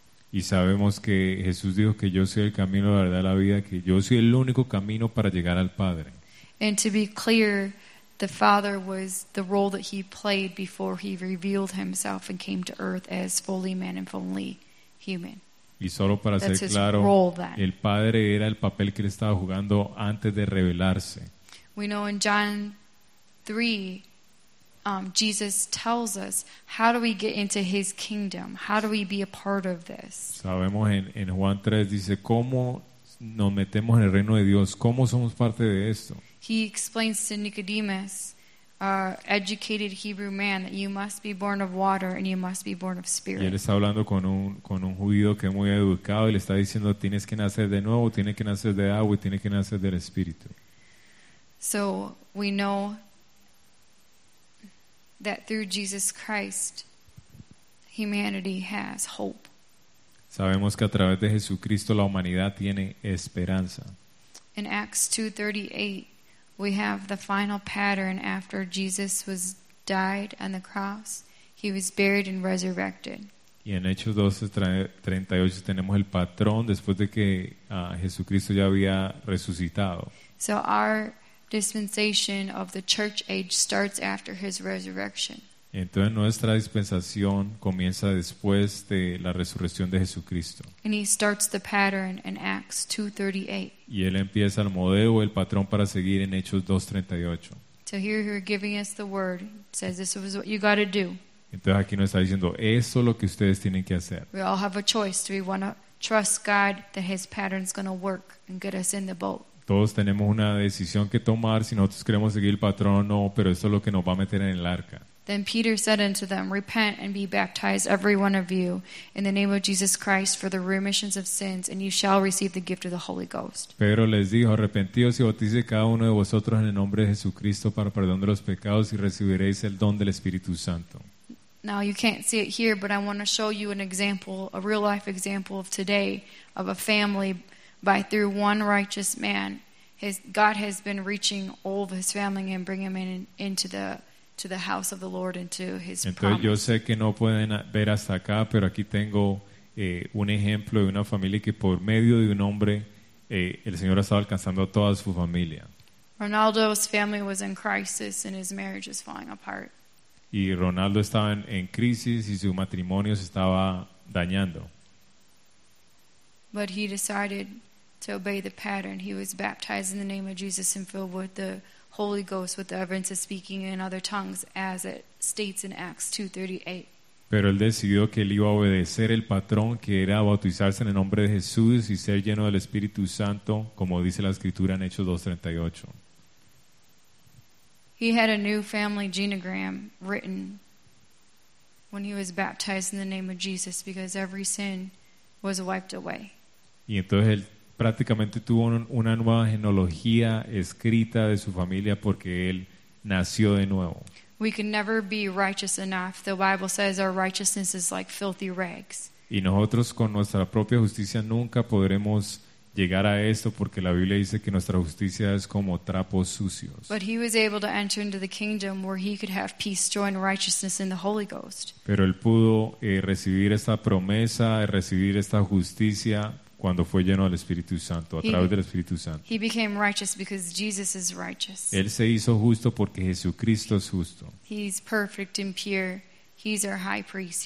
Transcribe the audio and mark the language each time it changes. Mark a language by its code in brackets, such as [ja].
[es] Y sabemos que Jesús dijo que yo soy el camino, la verdad, la vida, que yo soy el único camino para llegar al Padre. [en] And to be clear, the Father was the role that he played before he revealed himself and came to earth as fully man and fully human. [es] Y solo para ser claro, el Padre era el papel que él estaba jugando antes de revelarse. [en] We know in John 3, Jesus tells us, how do we get into his kingdom? How do we be a part of this? [es] Sabemos en Juan 3, dice, ¿cómo nos metemos en el reino de Dios? ¿Cómo somos parte de esto? [en] He explains to Nicodemus, educated Hebrew man, that you must be born of water and you must be born of spirit. [es] Y él está hablando con un judío que es muy educado y le está diciendo, tienes que nacer de nuevo, tienes que nacer de agua y tienes que nacer del espíritu. [en] So we know that through Jesus Christ, humanity has hope. [es] Sabemos que a través de Jesucristo la humanidad tiene esperanza. [en] In Acts 2:38, we have the final pattern after Jesus was died on the cross. He was buried and resurrected. [es] Y en Hechos 2:38 tenemos el patrón después de que Jesucristo ya había resucitado. [en] So our dispensation of the church age starts after his resurrection. [es] Entonces nuestra dispensación comienza después de la resurrección de Jesucristo. [en] And he starts the pattern in Acts 2:38. [es] Y él empieza el modelo, el patrón para seguir en Hechos 2:38. [en] So here he's giving us the word. Says this is what you got to do. [es] Entonces aquí nos está diciendo eso es lo que ustedes tienen que hacer. [en] We all have a choice. Do we want to trust God that his pattern is going to work and get us in the boat? [es] Todos tenemos una decisión que tomar si nosotros queremos seguir el patrón o no, pero eso es lo que nos va a meter en el arca. [en] Then Peter said unto them, repent and be baptized every one of you in the name of Jesus Christ for the remissions of sins, and you shall receive the gift of the Holy Ghost. [es] Pedro les dijo, arrepentíos y bautice cada uno de vosotros en el nombre de Jesucristo para perdón de los pecados y recibiréis el don del Espíritu Santo. [en] Now you can't see it here, but I want to show you an example, a real life example of today, of a family. By through one righteous man, God has been reaching all of his family and bringing him into the house of the Lord, into his [es] Entonces, [en] promise. [es] Yo sé que no pueden ver hasta acá, pero aquí tengo un ejemplo de una familia que por medio de un hombre, el Señor ha estado alcanzando a toda su familia. [en] Ronaldo's family was in crisis and his marriage was falling apart. [es] Y Ronaldo estaba en crisis y su matrimonio se estaba dañando. [en] But he decided to obey the pattern. He was baptized in the name of Jesus and filled with the Holy Ghost, with the evidence of speaking in other tongues, as it states in Acts 2:38. [es] Pero él decidió que él iba a obedecer el patrón, que era bautizarse en el nombre de Jesús y ser lleno del Espíritu Santo, como dice la Escritura en Hechos 2:38. [en] He had a new family genogram written when he was baptized in the name of Jesus, because every sin was wiped away. [es] Y entonces él prácticamente tuvo una nueva genealogía escrita de su familia porque él nació de nuevo. [en] We can never be righteous enough. The Bible says our righteousness is like filthy rags. [es] Y nosotros con nuestra propia justicia nunca podremos llegar a esto porque la Biblia dice que nuestra justicia es como trapos sucios. [en] But he was able to enter into the kingdom where he could have peace, joy, and righteousness in the Holy Ghost. [es] Pero él pudo recibir esta promesa, recibir esta justicia cuando fue lleno del Espíritu Santo, a través del Espíritu Santo. [en] He became righteous because Jesus is righteous. [es] Él se hizo justo porque Jesucristo es justo. [en] He's perfect and pure. He's our high priest.